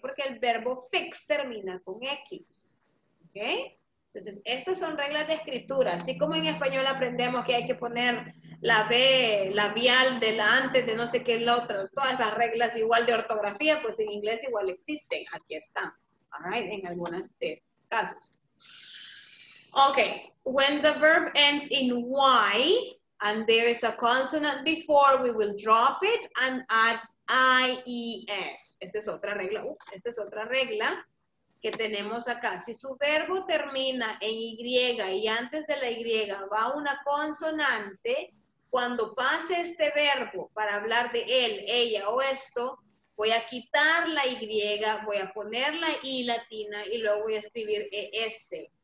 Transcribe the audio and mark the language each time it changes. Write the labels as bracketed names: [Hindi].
[Spanish] Porque el verbo fix termina con X, ¿ok? Entonces, estas son reglas de escritura. Así como en español aprendemos que hay que poner la B, labial, delante, de no sé qué, la otra. Todas esas reglas igual de ortografía, pues en inglés igual existen. Aquí están. All right, en algunos casos. Ok. [English] When the verb ends in Y and there is a consonant before, we will drop it and add IES. [Spanish] Esta es otra regla. Ups, esta es otra regla que tenemos acá. Si su verbo termina en Y y antes de la Y va una consonante, cuando pase este verbo para hablar de él, ella o esto, voy a quitar la Y, voy a poner la I latina y luego voy a escribir ES.